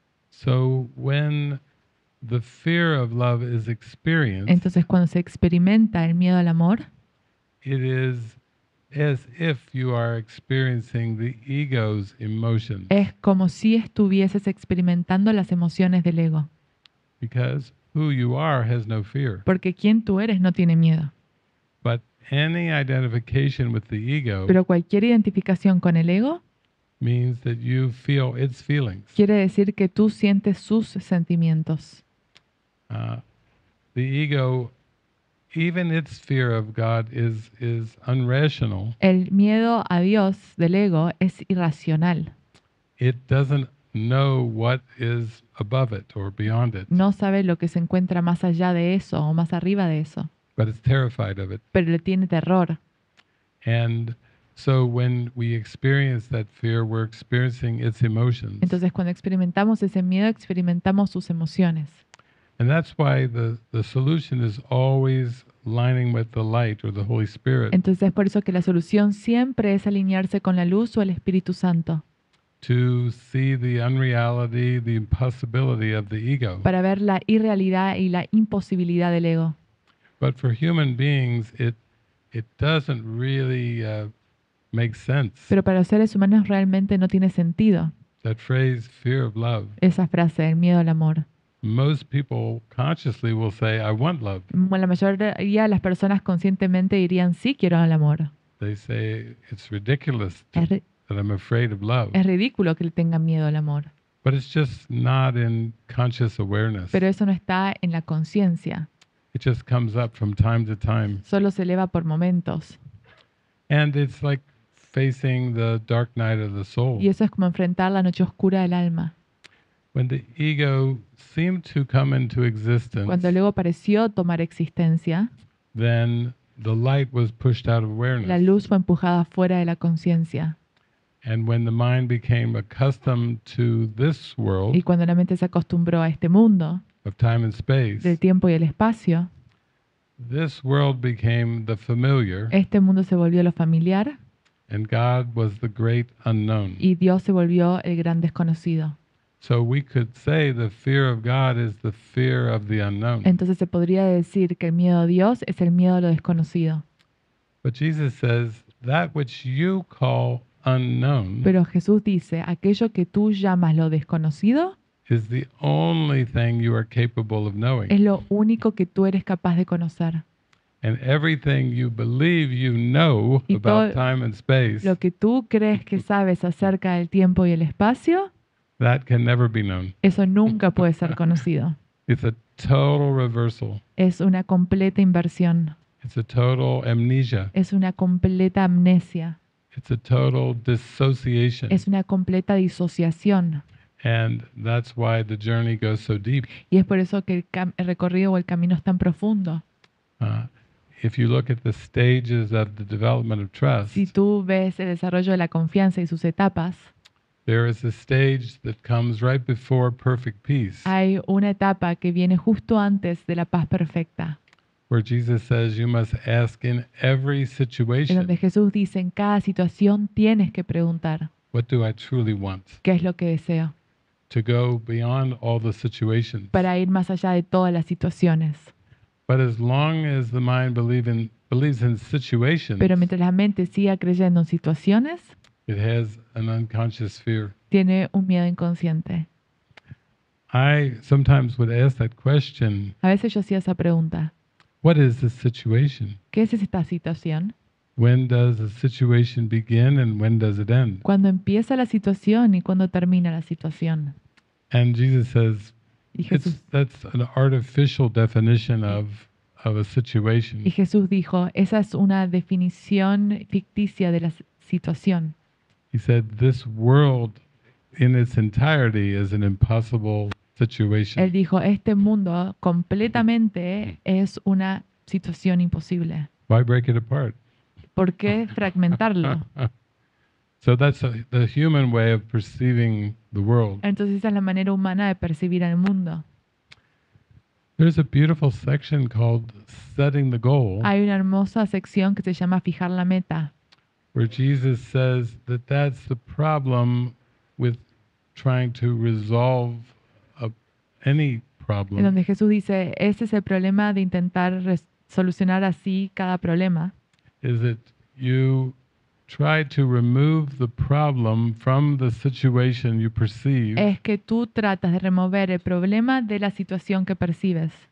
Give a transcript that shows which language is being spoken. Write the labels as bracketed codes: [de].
[en] So when the fear of love is experienced, [es] entonces cuando se experimenta el miedo al amor, [en] it is as if you are experiencing the ego's emotions. [es] Es como si estuvieses experimentando las emociones del ego. [en] Because who you are has no fear. [es] Porque quien tú eres no tiene miedo. [en] But any identification with the ego, [es] pero cualquier identificación con el ego, [en] means that you feel its feelings. [es] Quiere decir que tú sientes sus sentimientos. [en] The ego, even its fear of God is unrational. [es] El miedo a Dios del ego es irracional. [en] it doesn't know what is above it or beyond it. [es] No sabe lo que se encuentra más allá de eso o más arriba de eso. [en] But it's terrified of it. [es] Pero le tiene terror. [en] And so when we experience that fear, we're experiencing its emotions. [es] Entonces cuando experimentamos ese miedo, experimentamos sus emociones. [en] And that's why the solution is always aligning with the light or the Holy Spirit. [es] Entonces es por eso que la solución siempre es alinearse con la luz o el Espíritu Santo. [en] To see the unreality, the impossibility of the ego. [es] Para ver la irrealidad y la imposibilidad del ego. [en] But for human beings, it doesn't really make sense. [es] Pero para los seres humanos realmente no tiene sentido. [en] That phrase, fear of love. [es] Esa frase, el miedo al amor. [en] Most people consciously will say, I want love. [es] Bueno, la mayoría de las personas conscientemente dirían, sí, quiero el amor. [en] They say, it's ridiculous that I'm afraid of love. [es] Es ridículo que le tengan miedo al amor. [en] But it's just not in conscious awareness. [es] Pero eso no está en la conciencia. [en] It just comes up from time to time. [es] Solo se eleva por momentos. [en] And it's like facing the dark night of the soul. [es] Y eso es como enfrentar la noche oscura del alma. [en] When the ego seemed to come into existence. [es] Cuando el ego pareció tomar existencia. [en] Then the light was pushed out of awareness. [es] La luz fue empujada fuera de la conciencia. [en] And when the mind became accustomed to this world. [es] Y cuando la mente se acostumbró a este mundo. [en] Of time and space. [es] Del tiempo y el espacio. [en] This world became the familiar. [es] Este mundo se volvió lo familiar. [en] And God was the great unknown. [es] Y Dios se volvió el gran desconocido. [en] So we could say the fear of God is the fear of the unknown. [es] Entonces se podría decir que el miedo a Dios es el miedo a lo desconocido. [en] But Jesus says that which you call unknown. [es] Pero Jesús dice aquello que tú llamas lo desconocido. [en] Is the only thing you are capable of knowing. [es] Es lo único que tú eres capaz de conocer. [en] And everything you believe you know about time and space. [es] Lo que tú crees que sabes acerca del tiempo y el espacio. [en] That can never be known. [es] Eso nunca puede ser conocido. [en] It's a total reversal. [es] Es una completa inversión. [en] It's a total amnesia. [es] Es una completa amnesia. [en] It's a total dissociation. [es] Es una completa disociación. [en] And that's why the journey goes so deep. [es] Y es por eso que el recorrido o el camino es tan profundo. [en] If you look at the stages of the development of trust. [es] Si tú ves el desarrollo de la confianza y sus etapas. [en] There is a stage that comes right before perfect peace. [es] Hay una etapa que viene justo antes de la paz perfecta. [en] Where Jesus says you must ask in every situation. [es] En donde Jesús dice en cada situación tienes que preguntar. [en] What do I truly want? [es] ¿Qué es lo que deseo? [en] To go beyond all the situations. [es] Para ir más allá de todas las situaciones. [en] But as long as the mind believes in situations. [es] Pero mientras la mente siga creyendo en situaciones. [en] It has an unconscious fear. [es] Tiene un miedo inconsciente. [en] I sometimes would ask that question. [es] A veces yo hacía esa pregunta. [en] What is the situation? [es] ¿Qué es esta situación? [en] When does the situation begin and when does it end? [es] ¿Cuándo empieza la situación y cuándo termina la situación? [en] And Jesus says, that's an artificial definition of a situation. [es] Y Jesús dijo, esa es una definición ficticia de la situación. [en] He said, this world in its entirety is an impossible situation. [es] Él dijo, este mundo completamente es una situación imposible. [en] Why break it apart? [es] ¿Por qué fragmentarlo? [en] So that's the human way of perceiving the world. [es] Entonces esa es la manera humana de percibir al mundo. [en] There's a beautiful section called setting the goal. [es] Hay una hermosa sección que se llama fijar la meta. [en] Where Jesus says that that's the problem with trying to resolve any problem. [es] En donde Jesús dice, ese es el problema de intentar solucionar así cada problema. [en] Is that you try to remove the problem from the situation you perceive. [es] Es que tú tratas de remover el problema de la situación que percibes.